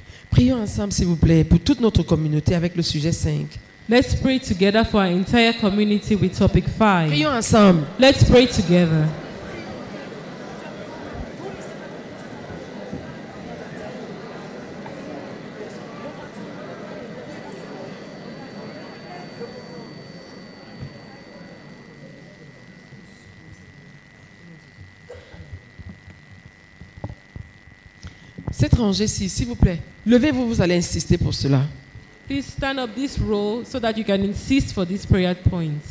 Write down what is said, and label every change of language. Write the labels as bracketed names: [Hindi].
[French] Prions ensemble, s'il vous plaît, pour toute notre communauté avec le sujet 5. [English] Let's pray together for our entire community with topic 5. [French] Prions ensemble. [English] Let's pray together. [French] Cette rangée-ci, s'il vous plaît, levez-vous, vous allez insister pour cela. [English] Please stand up this row so that you can insist for this prayer point.